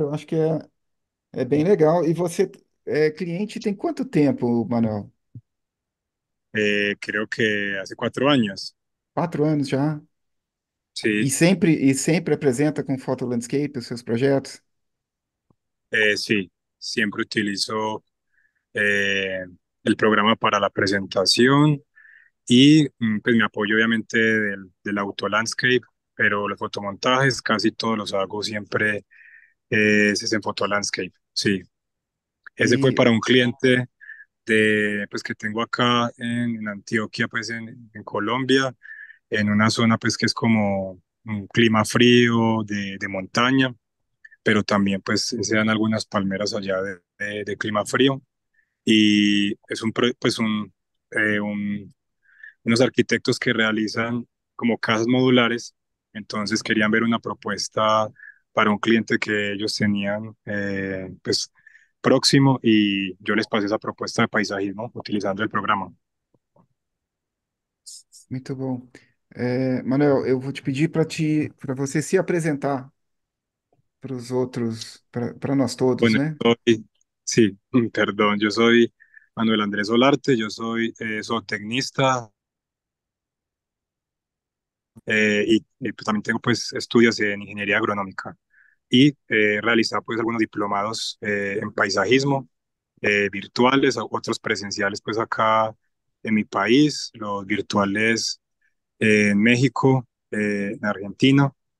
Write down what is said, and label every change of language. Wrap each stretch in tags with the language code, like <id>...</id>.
<pt>Eu acho que é bem legal. E você é cliente tem quanto tempo, Manuel?</pt> <es>Creo que hace 4 años.</es> <pt>4 anos já. E sempre apresenta com Photo Landscape os seus projetos?</pt> <es>Sí, siempre utilizo el programa para la presentación y pues, me apoyo obviamente del auto landscape, pero los fotomontajes casi todos los hago siempre es en Photo Landscape. Sí, ese fue para un cliente de pues que tengo acá en Antioquia, pues en Colombia, en una zona pues que es como un clima frío de montaña. Pero también pues se dan algunas palmeras allá de clima frío y es un pues un, un unos arquitectos que realizan como casas modulares, entonces querían ver una propuesta para un cliente que ellos tenían pues próximo y yo les pasé esa propuesta de paisajismo utilizando el programa.</es> <pt>Muito bom. Manuel, eu vou te pedir para você se apresentar para os outros, para nós todos,</pt> <es>Bueno,</es> <pt>né?</pt> <es>sí, perdón, yo soy Manuel Andrés Olarte, yo soy zootecnista y pues, también tengo pues estudios en ingeniería agronómica y realizado pues algunos diplomados en paisajismo virtuales, otros presenciales pues acá en mi país, los virtuales en México, en Argentina.</es>